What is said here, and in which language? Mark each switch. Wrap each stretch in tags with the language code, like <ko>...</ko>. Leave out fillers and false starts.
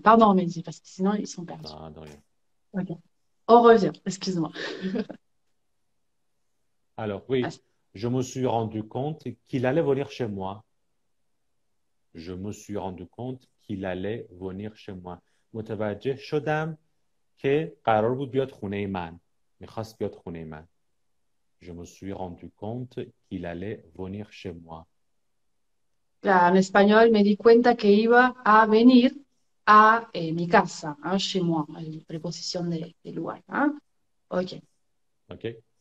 <fr>Pardon, Mehdi, parce que sinon, ils sont perdus. Non, de rien. OK. On revient, excuse-moi. Alors, oui, je me suis rendu compte qu'il allait venir chez moi. Je me suis rendu compte qu'il allait venir chez moi.</fr> <fa>متوجه شدم که قرار بود بیاد خونه من. میخواست بیاد خونه من.</fa> <fr>Je me suis rendu compte qu'il allait venir chez moi. En espagnol,</fr> <es>me di cuenta que iba a venir a mi casa,</es> <fr>hein, chez moi, la préposition de</fr> <es>lugar.</es> <fr>Hein? Ok. Okay.</fr>